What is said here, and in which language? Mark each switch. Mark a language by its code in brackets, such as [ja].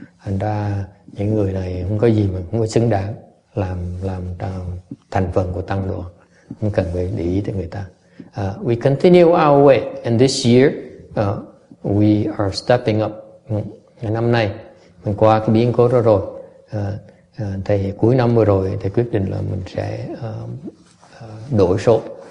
[vi] Thành ra những người này không có gì mà không có xứng đáng làm thành phần của tăng đoàn. Không cần phải để ý tới người ta. [en] We continue our way, and this year we are stepping up. [vi] Năm nay mình qua cái biến cố đó rồi, thầy cuối năm vừa rồi thầy quyết định là mình sẽ đổi số.